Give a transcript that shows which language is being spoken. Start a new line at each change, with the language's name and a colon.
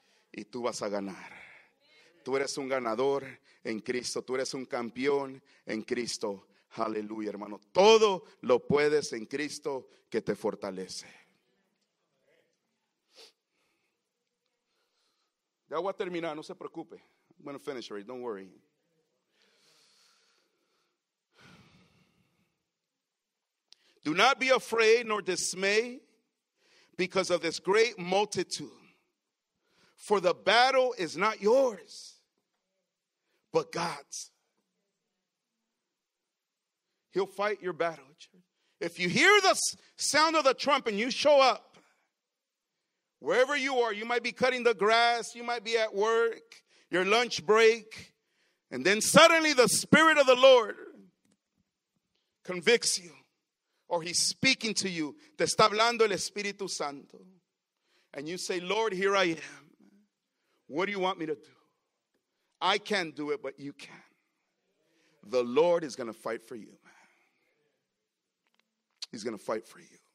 Spanish: Y tú vas a ganar. Tú eres un ganador en Cristo. Tú eres un campeón en Cristo. Aleluya, hermano. Todo lo puedes en Cristo que te fortalece. Ya voy a terminar, no se preocupe.
English: I'm going to finish already, don't worry. Do not be afraid nor dismay because of this great multitude. For the battle is not yours, but God's. He'll fight your battle. If you hear the sound of the trumpet and you show up, wherever you are, you might be cutting the grass, you might be at work, your lunch break, and then suddenly the Spirit of the Lord convicts you. Or he's speaking to you.
Spanish: Te está hablando el Espíritu Santo.
English: And you say, Lord, here I am. What do you want me to do? I can't do it, but you can. The Lord is going to fight for you, man. He's going to fight for you.